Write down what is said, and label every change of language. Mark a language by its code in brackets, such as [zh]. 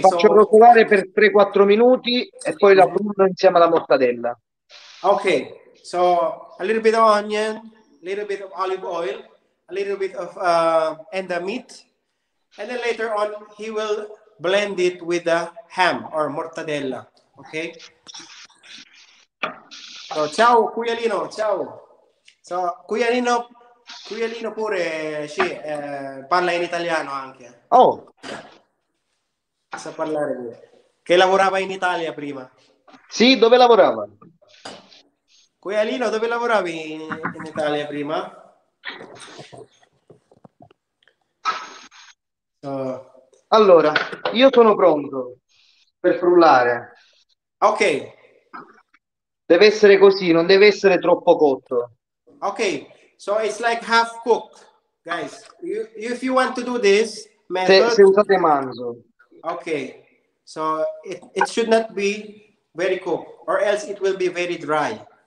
[it] faccio rosolare per 3-4 minuti e poi la frullo insieme alla mortadella. [en] Okay, so a little bit of onion, a little bit of olive oil, a little bit of and the meat. And then later on, he will blend it with the ham or mortadella. Okay. So, ciao, Cuialino, ciao. [it] So, Cuialino pure, sì, parla in italiano anche. Oh. Sa parlare lui. Che lavorava in Italia prima. Sì, dove lavorava? Cuialino, dove lavoravi in Italia prima? Allora, io sono pronto per frullare. Ok. Deve essere così, non deve essere troppo cotto. [en] Ok, so it's like half cooked, guys. You, if you want to do this method... [it] Se usate manzo. [en] Ok, so it should not be very cooked, or else it will be very dry.